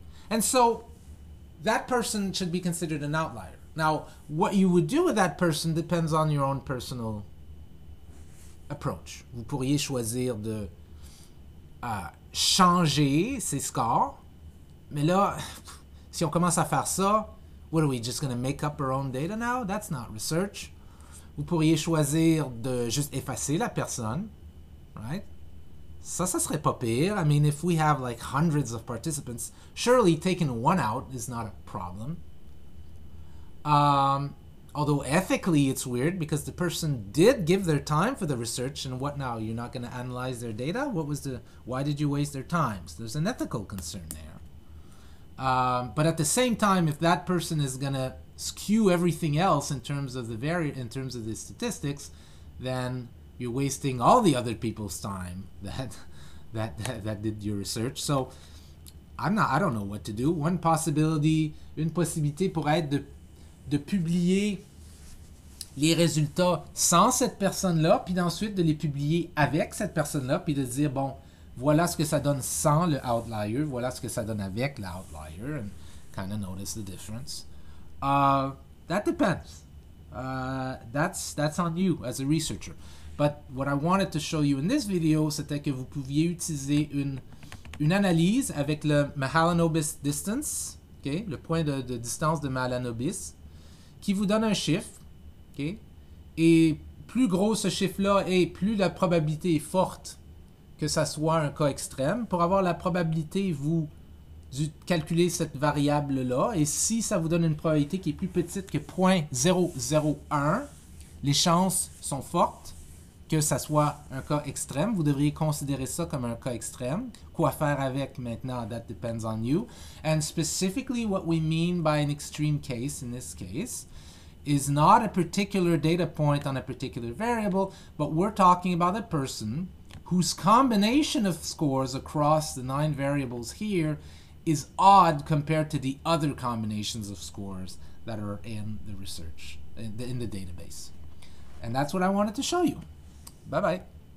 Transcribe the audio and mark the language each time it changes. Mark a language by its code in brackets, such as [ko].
[en] And so that person should be considered an outlier. Now, what you would do with that person depends on your own personal approach. [fr] Vous pourriez choisir de changer ses scores, mais là... Si on commence à faire ça, [en] what are we, just going to make up our own data now? That's not research. [fr] Vous pourriez choisir de juste effacer la personne, right? Ça serait pas pire. [en] I mean, if we have like hundreds of participants, surely taking one out is not a problem. Although ethically it's weird because the person did give their time for the research and what now? You're not going to analyze their data? Why did you waste their time? So there's an ethical concern there. But at the same time, if that person is going to skew everything else in terms of the in terms of the statistics, then you're wasting all the other people's time that did your research. So I don't know what to do. One possibility, [fr] une possibilité pourrait être de publier les résultats sans cette personne-là, puis ensuite de les publier avec cette personne-là, puis de dire bon. Voilà ce que ça donne sans le outlier. Voilà ce que ça donne avec l'outlier. [en] And kind of notice the difference. That depends. That's on you as a researcher. But what I wanted to show you in this video, [fr] c'était que vous pouviez utiliser une analyse avec le Mahalanobis distance, okay? Le point de distance de Mahalanobis, qui vous donne un chiffre. Okay? Et plus gros ce chiffre-là est, plus la probabilité est forte que ça soit un cas extrême. Pour avoir la probabilité, vous calculez cette variable-là. Et si ça vous donne une probabilité qui est plus petite que 0.001, les chances sont fortes que ça soit un cas extrême. Vous devriez considérer ça comme un cas extrême. Quoi faire avec maintenant? [en] That depends on you. And specifically, what we mean by an extreme case in this case is not a particular data point on a particular variable, but we're talking about a person whose combination of scores across the 9 variables here is odd compared to the other combinations of scores that are in the research, in the database. And that's what I wanted to show you. Bye-bye.